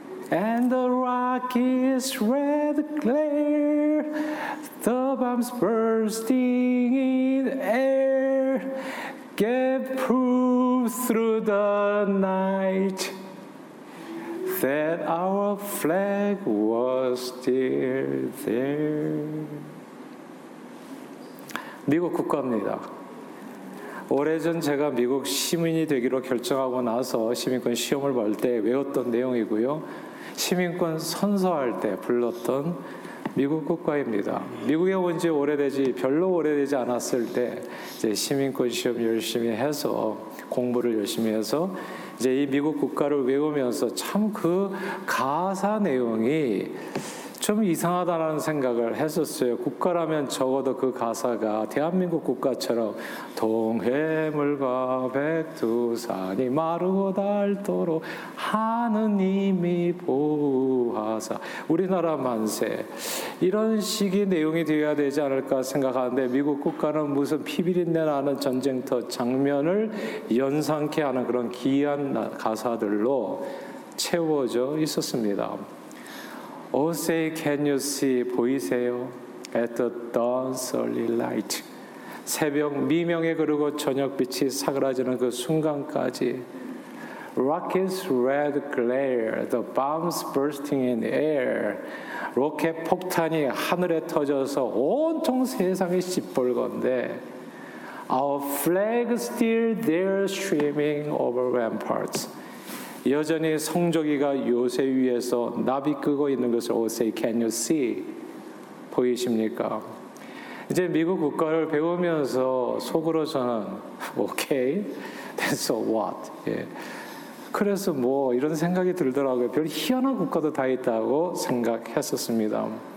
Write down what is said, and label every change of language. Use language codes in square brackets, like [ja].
[en] and the rocky's red glare, the bombs bursting in air, gave proof through the night that our flag was still there. [ko] 미국 국가입니다. 오래전 제가 미국 시민이 되기로 결정하고 나서 시민권 시험을 볼 때 외웠던 내용이고요. 시민권 선서할 때 불렀던 미국 국가입니다. 미국에 온 지 오래되지, 별로 오래되지 않았을 때 이제 시민권 시험 열심히 해서 공부를 열심히 해서 이제 이 미국 국가를 외우면서 참 그 가사 내용이 좀 이상하다라는 생각을 했었어요. 국가라면 적어도 그 가사가 대한민국 국가처럼 동해물과 백두산이 마르고 닳도록 하느님이 보호하사 우리나라 만세, 이런 식의 내용이 되어야 되지 않을까 생각하는데 미국 국가는 무슨 피비린내 나는 전쟁터 장면을 연상케 하는 그런 기이한 가사들로 채워져 있었습니다. [en] Oh, say, can you see, [ko] 보이세요? [en] At the dawn's early light. [ko] 새벽 미명에 그리고 저녁빛이 사그라지는 그 순간까지. [en] Rocket's red glare, the bombs bursting in air. [ko] 로켓 폭탄이 하늘에 터져서 온통 세상이 시뻘건데. [en] Our flag still there streaming over ramparts. [ko] 여전히 성조기가 요새 위에서 나비 끄고 있는 것을 [en] Oh, say, can you see? [ko] 보이십니까? 이제 미국 국가를 배우면서 속으로 저는 [en] Okay, then so what? [ko] 예. 그래서 뭐 이런 생각이 들더라고요. 별 희한한 국가도 다 있다고 생각했었습니다.